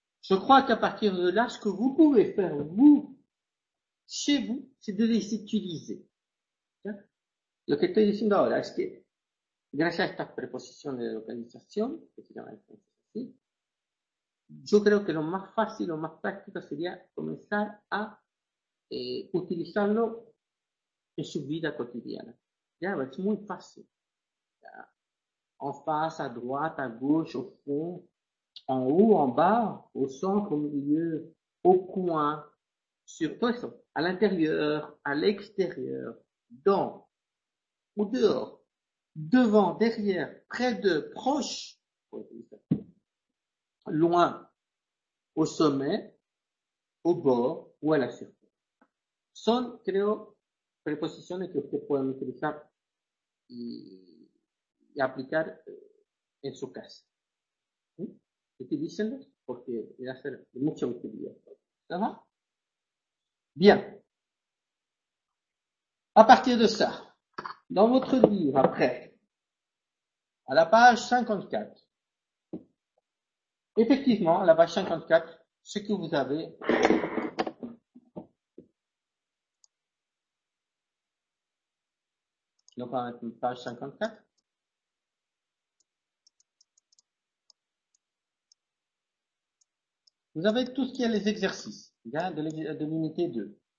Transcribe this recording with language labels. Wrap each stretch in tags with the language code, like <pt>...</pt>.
<fr>Je crois qu'à partir de là, ce que vous pouvez faire, vous, chez vous, c'est de les utiliser.</fr> <es>Lo que estoy diciendo ahora es que, gracias a estas preposiciones de localización, que se llaman así, yo creo que lo más fácil, lo más práctico sería comenzar a utilizarlo en su vida cotidiana. Ya, es muy fácil.</es> <fr>En face, à droite, à gauche, au fond, en haut, en bas, au centre, au milieu, au coin, sur tout ça, à l'intérieur, à l'extérieur, dans ou dehors, devant, derrière, près de, proche, loin, au sommet, au bord ou à la surface.</fr> <es>Son, creo, preposiciones que ustedes pueden utilizar y aplicar en su casa. Utilícenlos porque va a ser de mucha utilidad. ¿Está bien?</es> <fr>A partir de ça, dans votre livre, après, à la page 54, effectivement, à la page 54, ce que vous avez, donc à la page 54, vous avez tout ce qui est les exercices, bien, de l'unité 2.</fr>